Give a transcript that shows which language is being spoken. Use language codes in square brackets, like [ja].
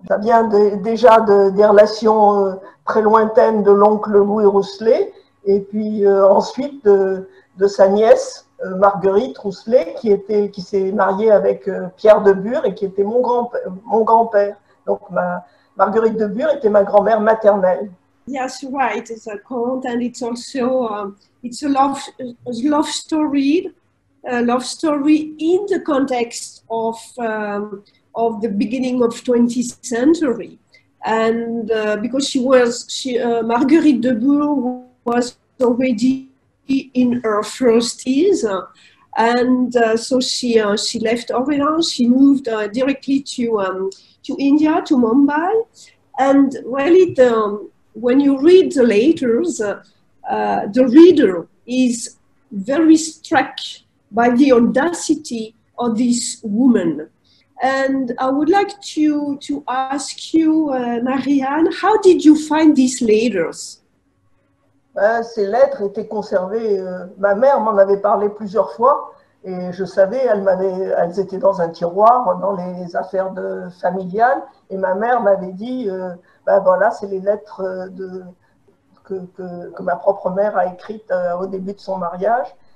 [fr] Ça vient déjà des relations très lointaines de l'oncle Louis Rousselet. Et puis ensuite de sa nièce, Marguerite Rousselet, qui s'est mariée avec Pierre de Bure et qui était mon grand-père. Donc Marguerite de Bure était ma grand-mère maternelle. [en] Yes, right. It's a cult and it's also it's a love story in the context of the beginning of 20th century. And because Marguerite de Bure was already in her first years, and so she left Orléans. She moved directly to India, to Mumbai. And really, when you read the letters, the reader is very struck by the audacity of this woman. And I would like to ask you, Marianne, how did you find these letters? [fr] Ces lettres étaient conservées. Ma mère m'en avait parlé plusieurs fois et je savais, elles étaient dans un tiroir, dans les affaires familiales. Et ma mère m'avait dit, voilà, c'est les lettres que ma propre mère a écrites au début de son mariage.